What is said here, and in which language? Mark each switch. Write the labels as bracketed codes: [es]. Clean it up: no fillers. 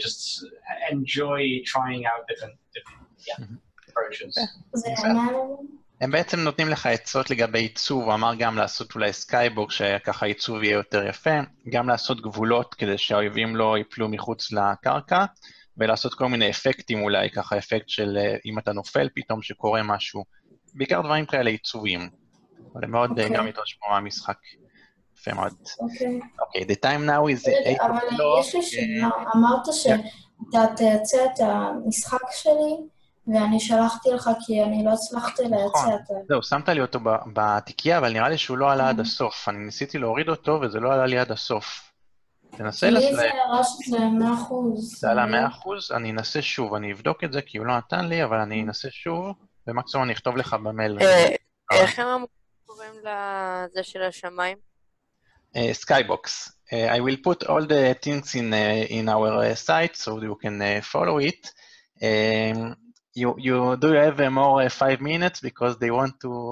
[en] Just enjoy trying out different approaches. Mm-hmm. [he] ולעשות כל מיני אפקטים אולי, ככה אפקט של אם אתה נופל פתאום שקורה משהו. בעיקר דברים כאלה עיצובים. אבל מאוד גם איתו שמור המשחק. יפה מאוד. אוקיי. [en] אוקיי, the time now is... [he] אבל יש לי שאלה, אמרת שאתה תייצא את המשחק שלי, ואני שלחתי לך כי אני לא הצלחתי לייצא את זה. זהו, שמת לי אותו בתיקייה, אבל נראה לי שהוא לא עלה עד הסוף. אני ניסיתי להוריד אותו וזה לא עלה לי עד הסוף. תנסה לסלם. לי זה הרשת זה 100%. זה עלה 100%? אני אנסה שוב, אני אבדוק את זה כי הוא לא נתן לי, אבל אני אנסה שוב, ומקסימום אני אכתוב לך במייל. איך הם קוראים לזה של השמיים? [en] Skybox. I will put all the things in our site, so you can follow it. Do you have more 5 minutes, because they want to...